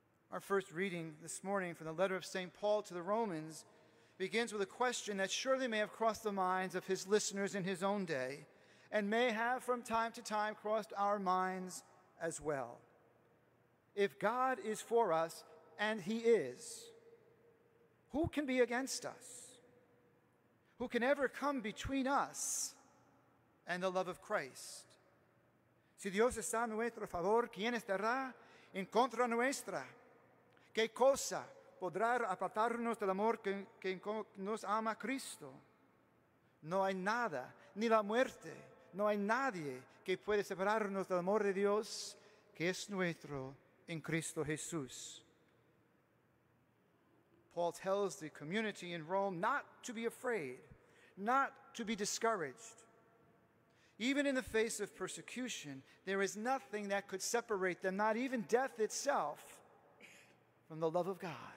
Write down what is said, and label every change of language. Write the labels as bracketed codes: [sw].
[en] Our first reading this morning from the letter of St. Paul to the Romans begins with a question that surely may have crossed the minds of his listeners in his own day, and may have from time to time crossed our minds as well. If God is for us, and he is, who can be against us? Who can ever come between us and the love of Christ? [es] Si Dios está a nuestro favor, ¿quién estará en contra nuestra? ¿Qué cosa podrá apartarnos del amor que nos ama Cristo? No hay nada, ni la muerte, no hay nadie que puede separarnos del amor de Dios que es nuestro en Cristo Jesús. [en] Paul tells the community in Rome not to be afraid, not to be discouraged. Even in the face of persecution, there is nothing that could separate them, not even death itself, from the love of God.